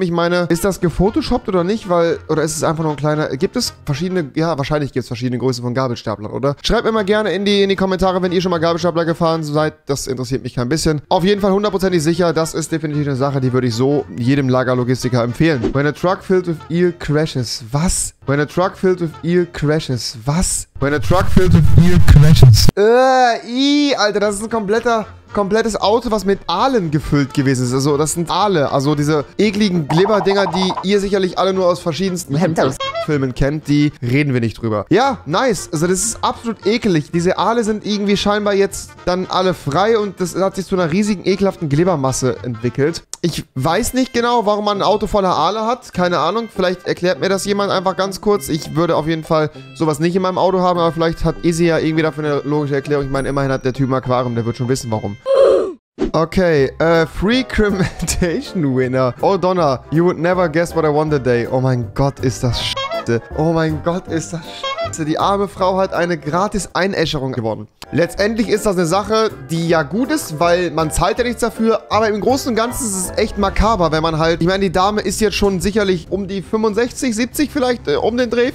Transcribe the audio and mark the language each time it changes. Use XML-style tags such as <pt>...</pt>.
<de>Ich meine, ist das gefotoshoppt oder nicht? Weil, oder ist es einfach nur ein kleiner... Gibt es verschiedene... Ja, wahrscheinlich gibt es verschiedene Größen von Gabelstaplern, oder? Schreibt mir mal gerne in die Kommentare, wenn ihr schon mal Gabelstapler gefahren seid. Das interessiert mich kein bisschen. Auf jeden Fall hundertprozentig sicher. Das ist definitiv eine Sache, die würde ich so jedem Lagerlogistiker empfehlen.</de> <en>When a truck filled with ear crashes.</en> <de>Was?</de> <en>When a truck filled with ear crashes. Was? When a truck filled with ear crashes.</en> <de>Alter, das ist ein komplettes Auto, was mit Aalen gefüllt gewesen ist. Also, das sind Aale. Also, diese ekligen Glibberdinger, die ihr sicherlich alle nur aus verschiedensten Filmen kennt, die reden wir nicht drüber. Ja, nice. Also, das ist absolut ekelig. Diese Aale sind irgendwie scheinbar jetzt dann alle frei und das hat sich zu einer riesigen, ekelhaften Glibbermasse entwickelt. Ich weiß nicht genau, warum man ein Auto voller Aale hat. Keine Ahnung. Vielleicht erklärt mir das jemand einfach ganz kurz. Ich würde auf jeden Fall sowas nicht in meinem Auto haben, aber vielleicht hat Izzy ja irgendwie dafür eine logische Erklärung. Ich meine, immerhin hat der Typ ein Aquarium, der wird schon wissen, warum.</de> <en>Okay, Free Cremation Winner. Oh Donna, you would never guess what I won today.</en> <de>Oh mein Gott, ist das Scheiße. Oh mein Gott, ist das Scheiße. Die arme Frau hat eine gratis Einäscherung gewonnen. Letztendlich ist das eine Sache, die ja gut ist, weil man zahlt ja nichts dafür. Aber im Großen und Ganzen ist es echt makaber, wenn man halt... Ich meine, die Dame ist jetzt schon sicherlich um die 65, 70 vielleicht, um den Dreh.</de>